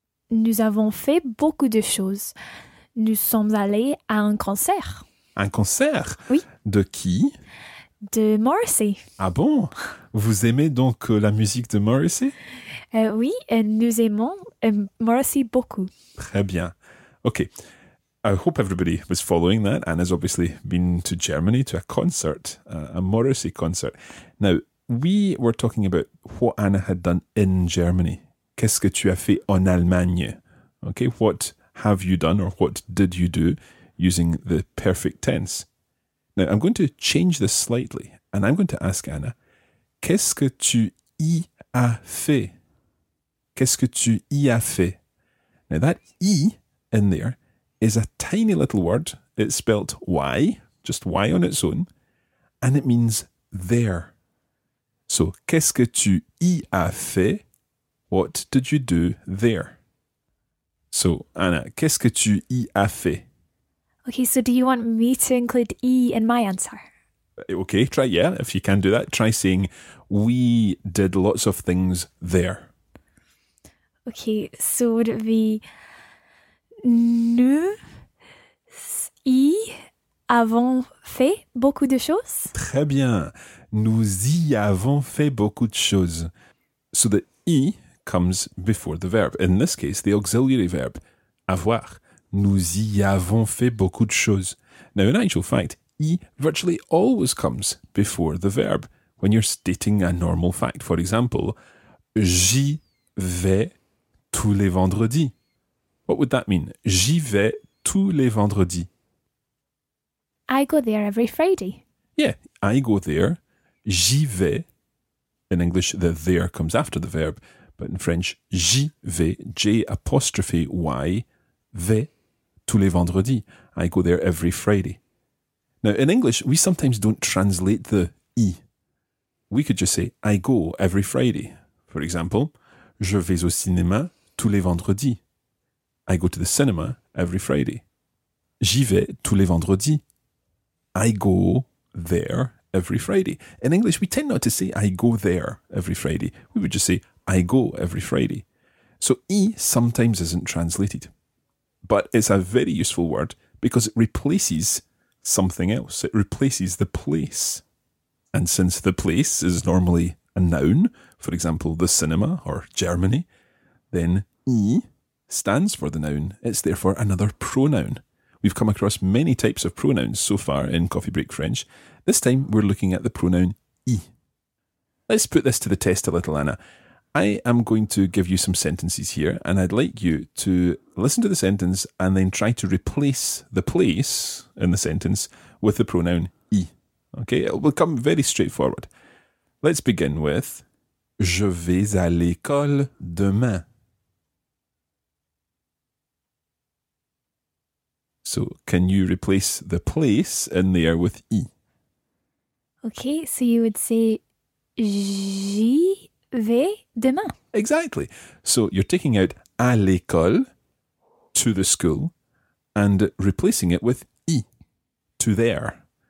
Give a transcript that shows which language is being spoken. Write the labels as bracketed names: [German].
[French] Nous avons fait beaucoup de choses. Nous sommes allés à un concert. Un concert? Oui. De qui? De Morrissey. Ah bon? Vous aimez donc la musique de Morrissey? Oui, nous aimons Morrissey beaucoup. Très bien. Ok. [English] I hope everybody was following that. Anna's obviously been to Germany to a concert, a Morrissey concert. Now, we were talking about what Anna had done in Germany. [French] Qu'est-ce que tu as fait en Allemagne? [English] Ok, what have you done or what did you do using the perfect tense? Now, I'm going to change this slightly and I'm going to ask Anna, [French] qu'est-ce que tu y as fait? Qu'est-ce que tu y as fait? [English] Now, that y in there is a tiny little word. It's spelt Y, just Y on its own, and it means there. So, [French] qu'est-ce que tu y as fait? [English] What did you do there? [French] So, Anna, qu'est-ce que tu y as fait? [English] Okay, so do you want me to include E in my answer? Okay, try, yeah, if you can do that. Try saying, we did lots of things there. Okay, so would it be [French] nous y avons fait beaucoup de choses? Très bien. Nous y avons fait beaucoup de choses. [English] So the I comes before the verb. In this case, the auxiliary verb, [French] avoir. Nous y avons fait beaucoup de choses. [English] Now, in actual fact, y virtually always comes before the verb when you're stating a normal fact. For example, [French] j'y vais tous les vendredis. [English] What would that mean? [French] J'y vais tous les vendredis. [English] I go there every Friday. Yeah, I go there. [French] J'y vais. [English] In English, the there comes after the verb. But in French, [French] j'y vais, [English] j apostrophe y, vais, [French] tous les vendredis. [English] I go there every Friday. Now, in English, we sometimes don't translate the I. We could just say, I go every Friday. For example, [French] je vais au cinéma tous les vendredis. [English] I go to the cinema every Friday. [French] J'y vais tous les vendredis. [English] I go there every Friday. In English, we tend not to say, I go there every Friday. We would just say, I go every Friday. So, I sometimes isn't translated. But it's a very useful word because it replaces something else. It replaces the place. And since the place is normally a noun, for example, the cinema or Germany, then I stands for the noun. It's therefore another pronoun. We've come across many types of pronouns so far in Coffee Break French. This time we're looking at the pronoun I. Let's put this to the test a little, Anna. I am going to give you some sentences here, and I'd like you to listen to the sentence and then try to replace the place in the sentence with the pronoun I. Okay, it will come very straightforward. Let's begin with, [French] je vais à l'école demain. [English] So, can you replace the place in there with I? Okay, so you would say, [French] j'y vais demain. [English] Exactly. So you're taking out [French] à l'école, [English] to the school, and replacing it with I, to there.